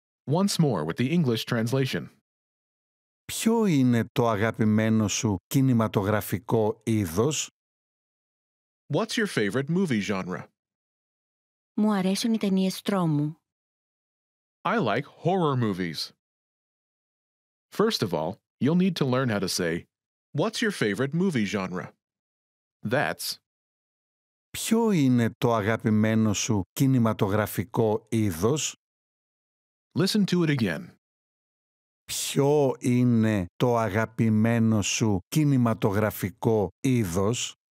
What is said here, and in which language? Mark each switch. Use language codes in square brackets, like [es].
[en] Once more with the English translation. [el] Ποιο είναι το αγαπημένο σου κινηματογραφικό είδος? [en] What's your favorite movie genre? [el] Μου αρέσουν οι ταινίες τρόμου. [en] I like horror movies. First of all, you'll need to learn how to say, what's your favorite movie genre? That's... [el] Ποιο είναι το αγαπημένο σου κινηματογραφικό είδος? [en] Listen to it again. [el] Ποιο είναι το αγαπημένο σου κινηματογραφικό είδος?